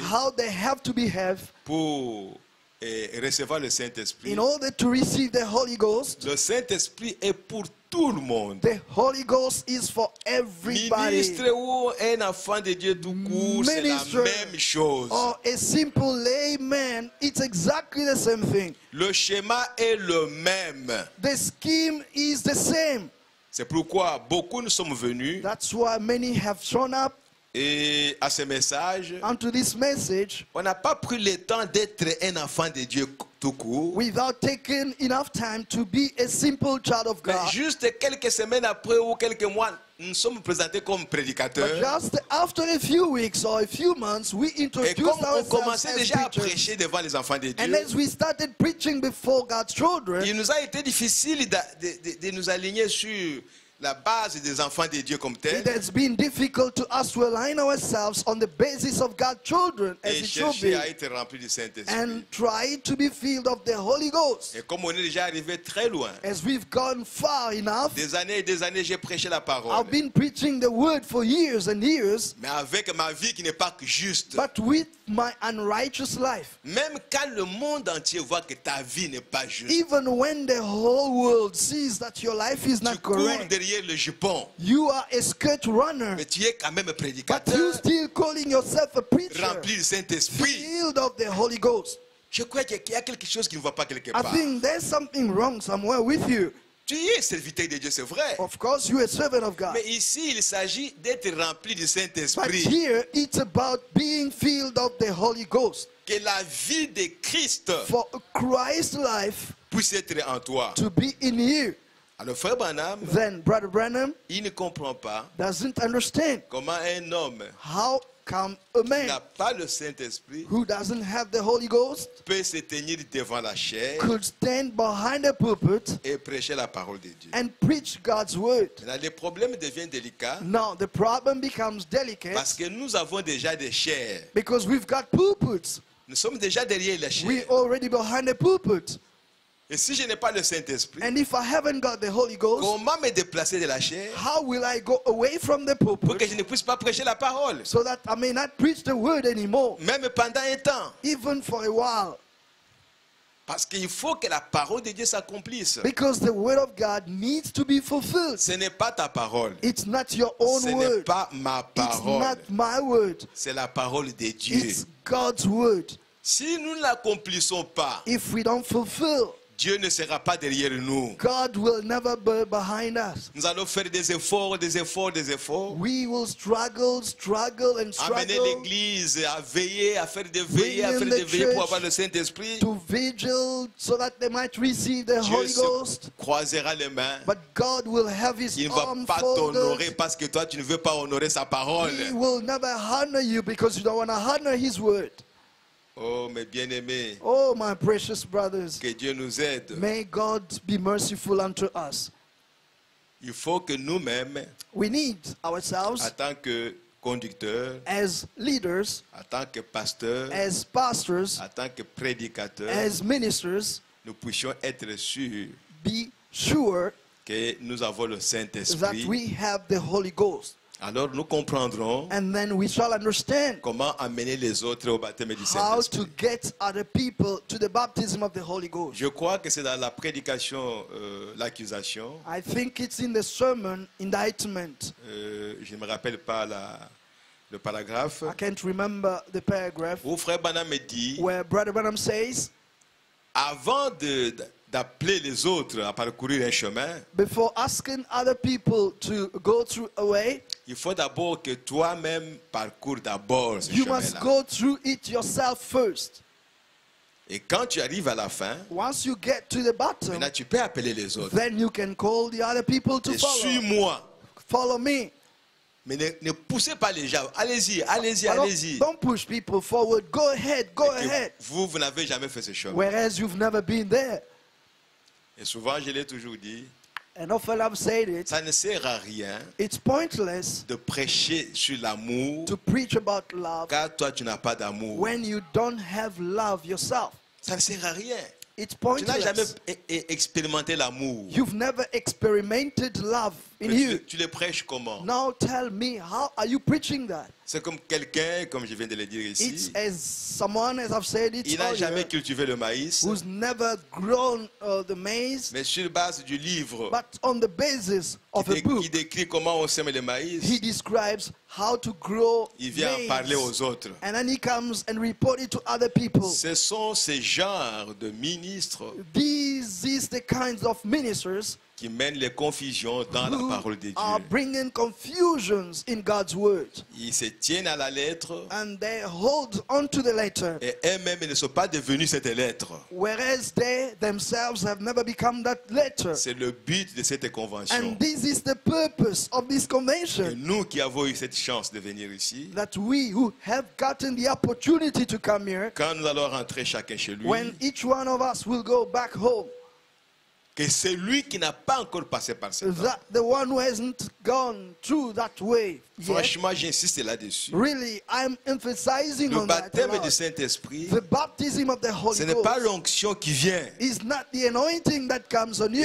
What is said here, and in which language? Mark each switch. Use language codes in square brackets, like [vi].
[en] how they have to behave, [fr] pour et recevoir le Saint-Esprit. [en] In order to receive the Holy Ghost, [fr] le Saint-Esprit est pour tout le monde. [en] The Holy Ghost is for everybody. [fr] Ministre ou un enfant de Dieu tout court, c'est la même chose. [en] Or a simple layman, it's exactly the same thing. [fr] Le schéma est le même. [en] The scheme is the same. [fr] C'est pourquoi beaucoup nous sommes venus. [en] That's why many have shown up. [fr] Et à ce message, [en] unto this message, [fr] on n'a pas pris le temps d'être un enfant de Dieu tout court. [en] Without taking enough time to be a simple child of God. [fr] Mais juste quelques semaines après ou quelques mois, nous sommes présentés comme prédicateurs. [en] But just after a few weeks or a few months, we introduced ourselves as preachers. [fr] Et comme on commençait déjà à prêcher devant les enfants de Dieu, [en] and as we started preaching before God's children, [fr] il nous a été difficile de nous aligner sur la base des enfants de Dieu comme tel. [en] It has been difficult to us to align ourselves on the basis of God's children as [fr] et [en] it should be. [fr] À être rempli du Saint-Esprit. [en] And try to be filled of the Holy Ghost. [fr] Et comme on est déjà arrivé très loin. [en] As we've gone far enough. [fr] Des années et des années, j'ai prêché la parole. [en] I've been preaching the word for years and years. [fr] Mais avec ma vie qui n'est pas juste. [en] But with my unrighteous life. [fr] Même quand le monde entier voit que ta vie n'est pas juste. [en] Even when the whole world sees that your life is not correct. [fr] Le jupon. [en] You are a skirt runner, [fr] mais tu es quand même un prédicateur. [en] But you're still calling yourself a preacher, [fr] rempli du Saint-Esprit, [en] filled of the Holy Ghost. [fr] Je crois qu'il y a quelque chose qui ne va pas quelque part. [en] I think there's something wrong somewhere with you. [fr] Tu es serviteur de Dieu, c'est vrai. [en] Of course, you're a servant of God. [fr] Mais ici, il s'agit d'être rempli du Saint-Esprit. [en] But here, it's about being filled of the Holy Ghost. [fr] Que la vie de Christ, [en] for Christ's life, [fr] puisse être en toi. [en] To be in you. [fr] Alors, frère Branham, [en] then, Brother Branham, [fr] il ne comprend pas, [en] doesn't understand, [fr] comment un homme, [en] how come a man, [fr] qui n'a pas le Saint-Esprit, [en] who doesn't have the Holy Ghost, [fr] peut se tenir devant la chair, [en] could stand behind a pulpit, [fr] et prêcher la parole de Dieu, [en] and preach God's word. [fr] Là, le problème devient délicat, [en] now the problem becomes delicate, [fr] parce que nous avons déjà des chairs, [en] because we've got pulpits, [fr] nous sommes déjà derrière les chairs, [en] we're already behind the pulpit. [fr] Et si je n'ai pas le Saint-Esprit, [en] and if I haven't got the Holy Ghost, [fr] comment me déplacer de la chair, [en] how will I go away from the pulpit, [fr] pour que je ne puisse pas prêcher la parole, [en] so that I may not preach the word anymore, [fr] même pendant un temps, [en] even for a while, [fr] parce qu'il faut que la parole de Dieu s'accomplisse, [en] because the word of God needs to be fulfilled. [fr] Ce n'est pas ta parole, [en] it's not your own [fr] ce [en] word, [fr] ce n'est pas ma parole, [en] it's not my word, [fr] c'est la parole de Dieu, [en] it's God's word. [fr] Si nous ne l'accomplissons pas, [en] if we don't fulfill, [fr] Dieu ne sera pas derrière nous. [en] God will never be behind us. [fr] Nous allons faire des efforts. [en] We will struggle. [fr] Amener l'église à veiller, à faire des veillées, pour avoir le Saint-Esprit. [en] To vigil so that they might receive the Holy Ghost. [fr] Dieu se croisera les mains. [en] But God will have his [fr] Il ne va pas t'honorer parce que toi tu ne veux pas honorer sa parole. [en] He will never honor you because you don't want to honor his word. [fr] Oh mes bien-aimés. [en] Oh my precious brothers. [fr] Que Dieu nous aide. [en] May God be merciful unto us. [fr] Il faut que nous-mêmes, [en] we need ourselves, [fr] en tant que conducteurs, [en] as leaders, [fr] en tant que pasteurs, [en] as pastors, [fr] en tant que prédicateurs, [en] as ministers, [fr] nous puissions être sûrs, [en] be sure, [fr] que nous avons le Saint-Esprit, [en] that we have the Holy Ghost. [fr] Alors nous comprendrons, [en] and then we shall understand, [fr] comment amener les autres au baptême du Saint-Esprit. [en] How to get other people to the baptism of the Holy Ghost. [fr] Je crois que c'est dans la prédication l'accusation. [en] I think it's in the sermon indictment. [fr] Je ne me rappelle pas le paragraphe. [en] I can't remember the paragraph. [fr] Où frère Branham dit, [en] where Brother Branham says, [fr] avant d'appeler les autres à parcourir un chemin, [en] before asking other people to go through a way, [fr] il faut d'abord que toi-même parcours d'abord ce [en] you [fr] chemin-là. [en] Must go through it yourself first. [fr] Et quand tu arrives à la fin, [en] once you get to the bottom, [fr] maintenant tu peux appeler les autres. [en] Then you can call the other people to [fr] et [en] follow. [fr] Suis-moi. [en] Follow me. [fr] Mais ne poussez pas les gens. Allez-y. [en] Don't push people forward. Go ahead, go ahead. [fr] Vous n'avez jamais fait ce chemin. [en] Whereas you've never been there. [fr] Et souvent, je l'ai toujours dit, [en] and often I've said it, [fr] ça ne sert à rien, [en] it's pointless, [fr] de prêcher sur l'amour, [en] to preach about love, [fr] car toi tu n'as pas d'amour, [en] when you don't have love yourself, [fr] ça ne sert à rien, [en] it's pointless. [fr] Tu n'as jamais expérimenté l'amour, [en] you've never experimented love in [fr] tu, [en] you, [fr] tu le prêches comment? [en] Now tell me, how are you preaching that? [fr] C'est comme quelqu'un, comme je viens de le dire ici, [en] it's as someone, as I've said it, [fr] il n'a jamais cultivé le maïs, [en] who's never grown, the maize, [fr] mais sur base du livre, [en] but on the basis of a book, [fr] il décrit comment on sème le maïs, [en] he describes how to grow [fr] il vient [en] maize, [fr] en parler aux autres, [en] and then he comes and report it to other people. [fr] Ce sont ces genres de ministres, [en] these is the kinds of ministers, [fr] qui mènent les confusions dans la parole de Dieu. [en] Are bringing confusions in God's word. [fr] Ils se tiennent à la lettre. [en] And they hold onto the letter. [fr] Et eux-mêmes ne sont pas devenus cette lettre. [en] Whereas they themselves have never become that letter. [fr] C'est le but de cette convention. [en] And this is the purpose of this convention. [fr] Et nous qui avons eu cette chance de venir ici, [en] that we who have gotten the opportunity to come here, [fr] quand nous allons rentrer chacun chez lui, [en] when each one of us will go back home, [fr] que celui qui n'a pas encore passé par ce temps, [en] the one who hasn't gone through that way, [fr] franchement, j'insiste là-dessus. [en] Really, I'm emphasizing [fr] le baptême du Saint-Esprit, [en] the baptism of the Holy [fr] ce n'est pas l'onction qui vient. [en] It's not the anointing that comes on you.